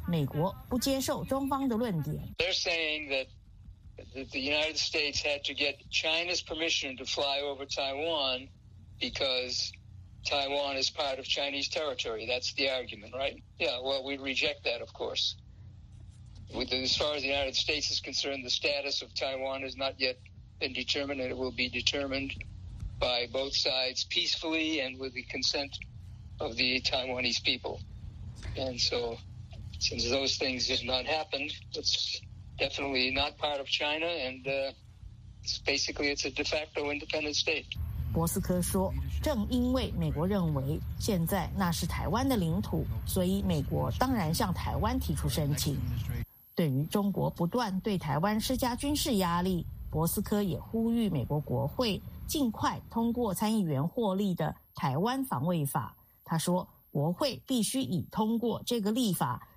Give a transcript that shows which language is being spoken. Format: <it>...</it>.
<zh>不过，美国军机飞越台湾上空也引发中国强烈不满。中国政府指责美方未经中方允许飞越中国领土，严重侵犯中国领土主权。但博斯科说，美国不接受中方的论点。</zh> <en>They're saying that the United States had to get China's permission to fly over Taiwan because Taiwan is part of Chinese territory. That's the argument, right? Yeah, well, we reject that, of course. As far as the United States is concerned, the status of Taiwan has not yet been determined, and it will be determined by both sides peacefully and with the consent of the Taiwanese people. And so, since those things have not happened, it's definitely not part of China, and it's basically a de facto independent state.</en> <zh>博斯科说，正因为美国认为现在那是台湾的领土，所以美国当然向台湾提出申请。对于中国不断对台湾施加军事压力，博斯科也呼吁美国国会尽快通过参议员获利的台湾防卫法。他说，国会必须以通过这个立法</zh>